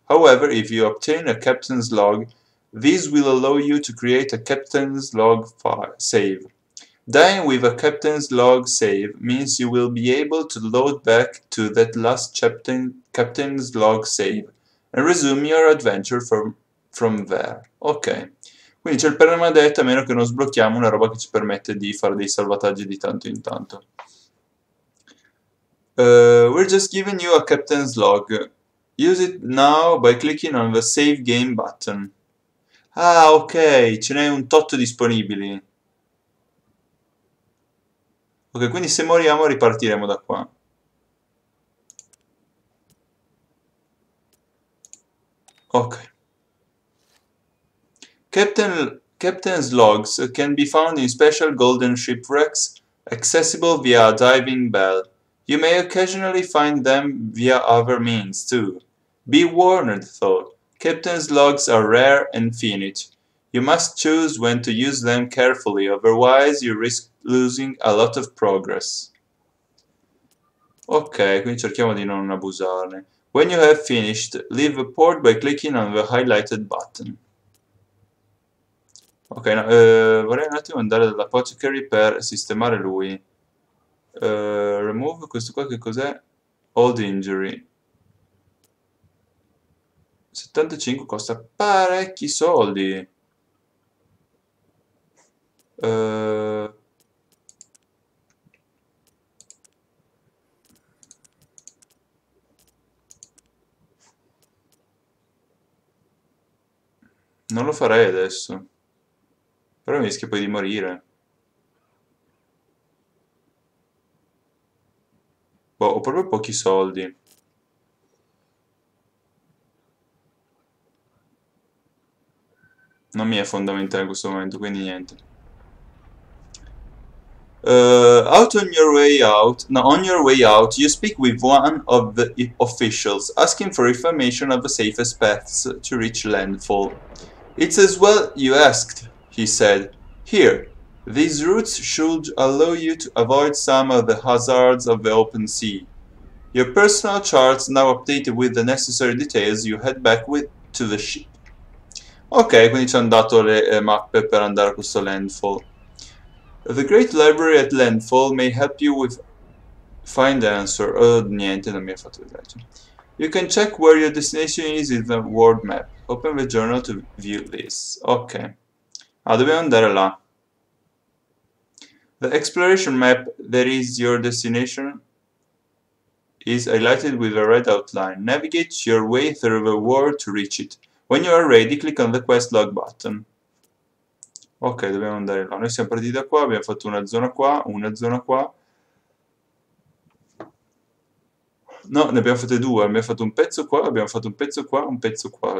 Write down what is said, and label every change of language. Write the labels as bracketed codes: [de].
[en] However, if you obtain a captain's log, this will allow you to create a captain's log file save. Dying with a captain's log save means you will be able to load back to that last captain's log save and resume your adventure from there. [it] Ok, quindi c'è il permadeath a meno che non sblocchiamo una roba che ci permette di fare dei salvataggi di tanto in tanto. [en] We're just giving you a captain's log. Use it now by clicking on the save game button. [it] Ah, ok, ce n'è un tot disponibili. Ok, quindi se moriamo ripartiremo da qua. Ok. [en] Captain's logs can be found in special golden shipwrecks accessible via a diving bell. You may occasionally find them via other means too. Be warned, though. Captain's logs are rare and finite. You must choose when to use them carefully, otherwise you risk losing a lot of progress. [it] Ok, quindi cerchiamo di non abusarne. [en] When you have finished, leave a port by clicking on the highlighted button. [it] Ok, no, vorrei un attimo andare dall'apothecary per sistemare lui. Remove questo qua, che cos'è? [en] Old injury. [it] 75 costa parecchi soldi. Non lo farei adesso. Però mi rischio poi di morire. Boh, ho proprio pochi soldi. Non mi è fondamentale in questo momento, quindi niente. [en] Out on your way out. No, on your way out, you speak with one of the officials, asking for information of the safest paths to reach landfall. It's as well you asked, he said. Here, these routes should allow you to avoid some of the hazards of the open sea. Your personal charts now updated with the necessary details, you head back with to the ship. [it] Ok, quindi ci hanno dato le mappe per andare a questo landfall. [en] The Great Library at Landfall may help you with find the answer. [it] Niente, non mi ha fatto vedere. [en] You can check where your destination is in the world map. Open the journal to view this. Ok. [it] Ah, dobbiamo andare là. [en] The exploration map that is your destination is highlighted with a red outline. Navigate your way through the world to reach it. When you are ready, click on the quest log button. [it] Ok, dobbiamo andare là. Noi siamo partiti da qua, abbiamo fatto una zona qua, una zona qua. No, ne abbiamo fatte due. Abbiamo fatto un pezzo qua, abbiamo fatto un pezzo qua, un pezzo qua.